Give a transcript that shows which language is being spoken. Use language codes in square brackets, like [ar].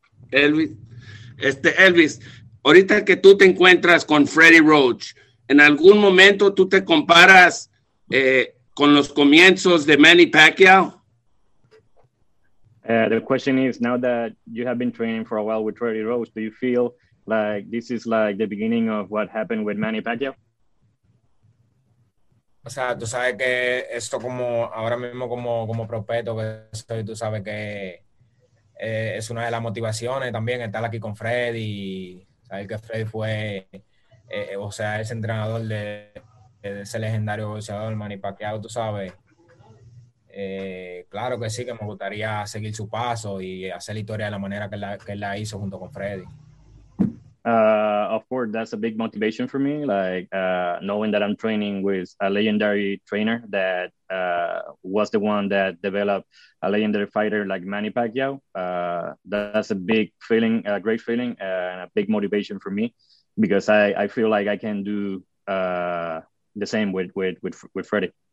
[es] Elvis, Elvis, ahorita que tú te encuentras con Freddie Roach, ¿en algún momento tú te comparas con los comienzos de Manny Pacquiao? [en] The question is, now that you have been training for a while with Freddie Roach, do you feel like this is like the beginning of what happened with Manny Pacquiao? [es] O sea, tú sabes que esto como ahora mismo como prospecto que soy, tú sabes que es una de las motivaciones también estar aquí con Freddy. Saber que Freddy fue, o sea, ese entrenador de ese legendario boxeador, Manny Pacquiao, tú sabes. Claro que sí, que me gustaría seguir su paso y hacer la historia de la manera que la hizo junto con Freddy. [en] Of course, that's a big motivation for me, like knowing that I'm training with a legendary trainer that was the one that developed a legendary fighter like Manny Pacquiao. That's a big feeling, a great feeling, and a big motivation for me, because I feel like I can do the same with Freddie.